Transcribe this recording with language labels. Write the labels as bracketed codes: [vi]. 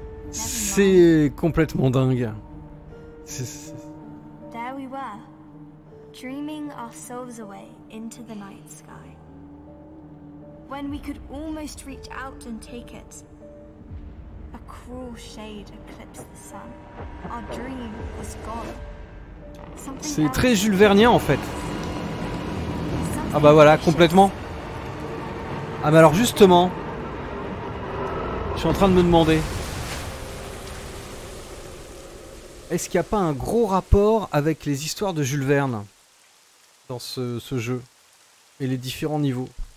[fr] C'est complètement dingue. [en] There we were, dreaming our souls away into the night sky. When we could almost reach out and take it, a cruel shade eclipsed the sun. Our dream was gone. [fr] C'est très Jules Vernien en fait. Ah bah voilà, complètement. Ah bah alors justement. Je suis en train de me demander, est-ce qu'il n'y a pas un gros rapport avec les histoires de Jules Verne dans ce jeu et les différents niveaux.